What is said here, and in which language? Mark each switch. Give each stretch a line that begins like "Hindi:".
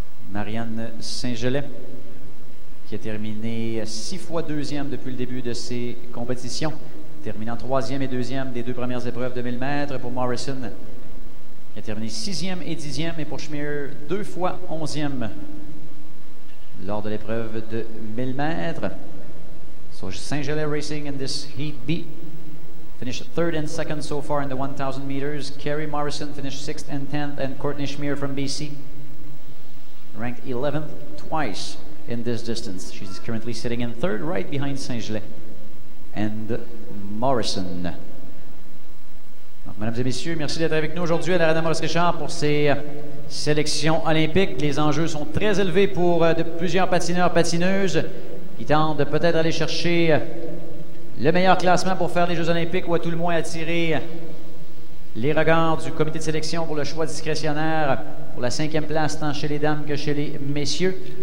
French: Marianne Saint-Gelais, qui a terminé 6 fois deuxième depuis le début de ses compétitions, terminant 3e et 2e des deux premières épreuves de 1000 mètres. Pour Morrison, qui a terminé 6e et 10e, et pour Schmier, 2 fois 11e. Lors de l'épreuve de 1000 mètres.
English: So, Saint-Gelais Racing in this Heat B finished third and second so far in the 1000 meters. Carrie Morrison finished sixth and tenth, and Courtney Schmier from BC ranked 11th twice in this distance. She's currently sitting in third right behind Saint-Gelais and Morrison.
French: Donc, mesdames et messieurs, merci d'être avec nous aujourd'hui à l'Arena Maurice Richard pour ces sélections olympiques. Les enjeux sont très élevés pour de plusieurs patineurs, patineuses qui tentent peut-être d'aller chercher le meilleur classement pour faire les Jeux olympiques ou à tout le moins attirer les regards du comité de sélection pour le choix discrétionnaire pour la 5e place tant chez les dames que chez les messieurs.